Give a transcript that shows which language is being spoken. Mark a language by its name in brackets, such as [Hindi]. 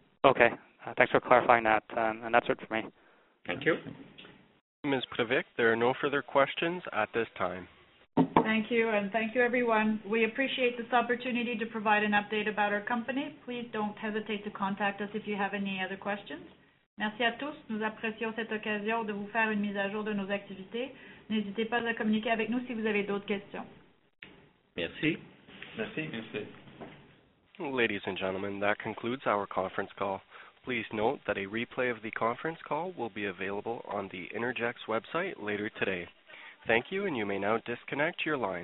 [English] Okay. Thanks for clarifying that. And that's it for me. Thank you. Ms. Prevec, there are no further questions at this time. Thank you, and thank you, everyone. We appreciate this opportunity to provide an update about our company. Please don't hesitate to contact us if you have any other questions. [French] Merci à tous. Nous apprécions cette occasion de vous faire une mise à jour de nos activités. N'hésitez pas à communiquer avec nous si vous avez d'autres questions. Merci. Merci. Merci. [English] Ladies and gentlemen, that concludes our conference call. Please note that a replay of the conference call will be available on the Innergex website later today. Thank you, and you may now disconnect your lines.